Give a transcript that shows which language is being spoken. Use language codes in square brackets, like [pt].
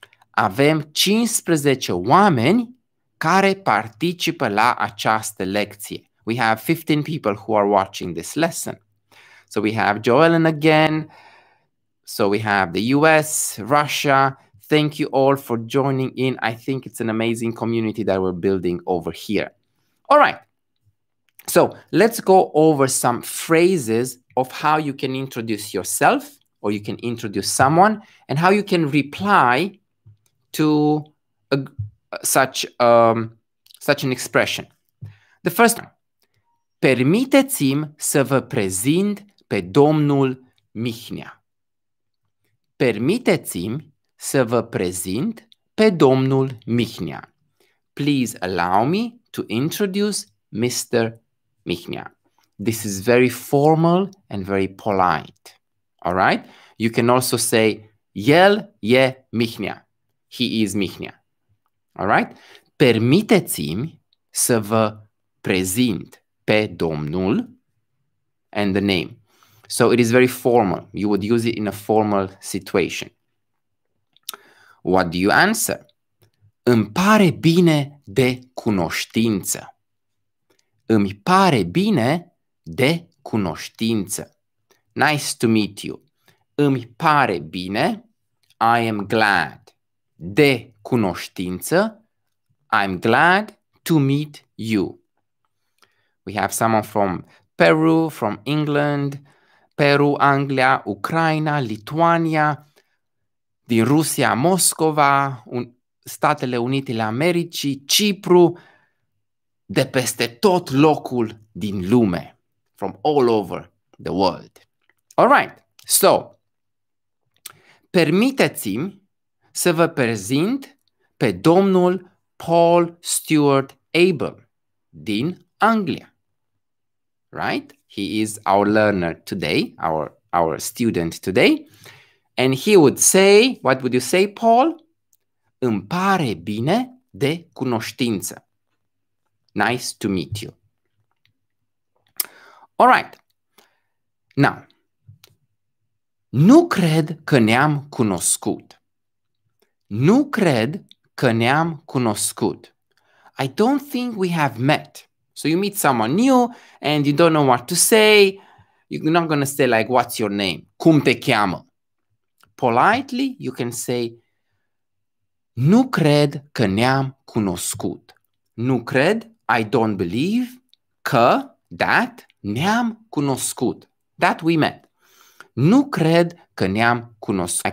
[ro] Avem 15 oameni care participă la această lecție. [en] We have 15 people who are watching this lesson. So we have Joellen again. So we have the US, Russia. Thank you all for joining in. I think it's an amazing community that we're building over here. All right. So let's go over some phrases of how you can introduce yourself, or you can introduce someone, and how you can reply to such an expression. The first one. [ro] Permiteți-mi să vă prezint pe domnul Mihnea. Permiteți-mi să vă prezint pe domnul Mihnea. [en] Please allow me to introduce Mr. Mihnea. This is very formal and very polite. All right? You can also say, [ro] el e Mihnea. [en] He is Mihnea. All right? [ro] Permiteți-mi să vă prezint pe domnul, [en] and the name. So it is very formal. You would use it in a formal situation. What do you answer? [ro] Îmi pare bine de cunoștință. Îmi pare bine de cunoștință. [en] Nice to meet you. [ro] Îmi pare bine. [en] I am glad. [ro] De cunoștință. [en] I'm glad to meet you. We have someone from Peru, from England, [ro] Peru, Anglia, Ucraina, Lituania, din Rusia, Moscova, Statele Unite ale Americii, Cipru, de peste tot locul din lume, [en] from all over the world. All right, so, [ro] permiteți-mi să vă prezint pe domnul Paul Stewart Abel din Anglia. [en] Right? He is our learner today, our student today. And he would say, what would you say, Paul? [ro] Îmi pare bine de cunoștință. [en] Nice to meet you. All right. Now, [ro] nu cred că ne-am cunoscut. Nu cred că ne-am cunoscut. [en] I don't think we have met. So you meet someone new and you don't know what to say. You're not going to say like, what's your name? [ro] Cum te cheamă? [en] Politely, you can say, [ro] nu cred că ne-am cunoscut. Nu cred, [en] I don't believe, [ro] că, [en] that, [ro] ne-am cunoscut. [en] That we met. [ro] Nu cred că ne-am cunoscut.